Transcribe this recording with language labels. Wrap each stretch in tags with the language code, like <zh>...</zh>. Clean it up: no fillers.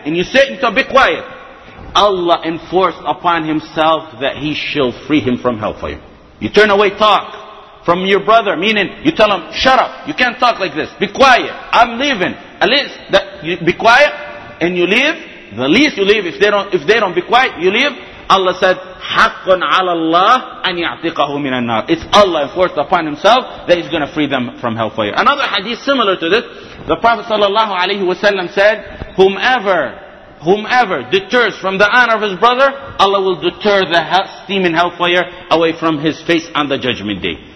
<en>And you say, be quiet. Allah enforced upon himself that he shall free him from hellfire. You turn away talk from your brother, meaning you tell him, shut up, you can't talk like this, be quiet, I'm leaving. At least, that you be quiet, and you leave, the least you leave, if they don't be quiet, you leave. Allah said,</en> <ar>حَقٌ عَلَى اللَّهِ أَنْ يَعْتِقَهُ مِنَ النَّارِ.</ar> <en>It's Allah enforced upon himself that he's going to free them from hellfire. Another hadith similar to this, the Prophet sallallahu alaihi wasallam said, whomever deters from the honor of his brother, Allah will deter the steaming hellfire away from his face on the judgment day.</en>